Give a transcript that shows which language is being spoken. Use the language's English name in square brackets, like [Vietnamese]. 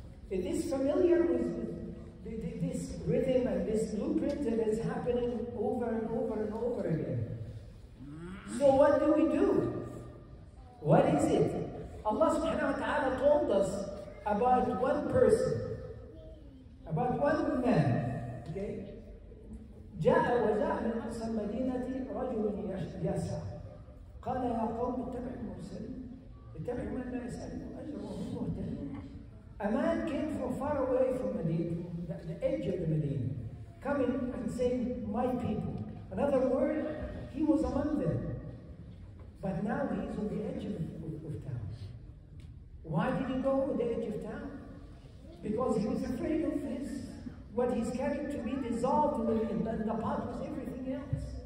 [English] It is familiar with this rhythm and this blueprint that is happening over and over and over again. So what do we do? What is it? Allah subhanahu wa ta'ala told us about one person, about one man, okay? [Arabic] جَاءَ وَجَاءَ مِنْ أَقْصَى الْمَدِينَةِ رَجُلٌ يَسْعَى قَالَ يَا قَوْمِ اتَّبِعُوا الْمُرْسَلِينَ اتَّبِعُوا مَنْ لَا يَسْأَلُهُ أَجْرًا وَهُمْ مُهْتَدُونَ [English] A man came from far away from Medina, the edge of the Medina, coming and saying, my people. In other words, he was among them. But now he's on the edge of town. Why did he go on the edge of town? Because he was afraid of this, what he's carrying to be dissolved in the pot with everything else.